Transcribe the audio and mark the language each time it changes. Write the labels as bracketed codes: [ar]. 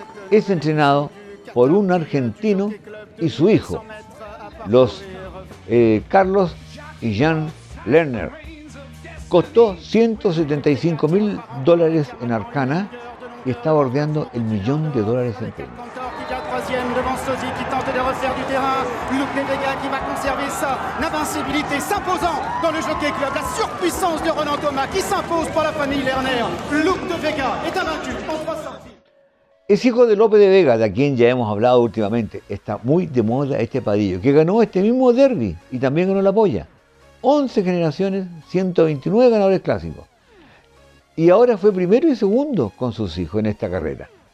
[es] Es entrenado por un argentino y su hijo, los Carlos y Jean Lerner. Costó $175,000 en Arcana y está bordeando el $1,000,000 en premios. [fr] deuxième devant Sozi qui tente de refaire du terrain. Luc Nedega qui va conserver sa invincibilité, s'imposant dans le jockey club. La surpuissance de Ronan Thomas qui s'impose pour la famille Lerner. Luc de Vega est invaincu en 3 sorties. [es] Es hijo de López de Vega, de quien ya hemos hablado últimamente. Está muy de moda este Padillo, que ganó este mismo derbi y también ganó la polla. 11 generaciones, 129 ganadores clásicos. Y ahora fue primero y segundo con sus hijos en esta carrera.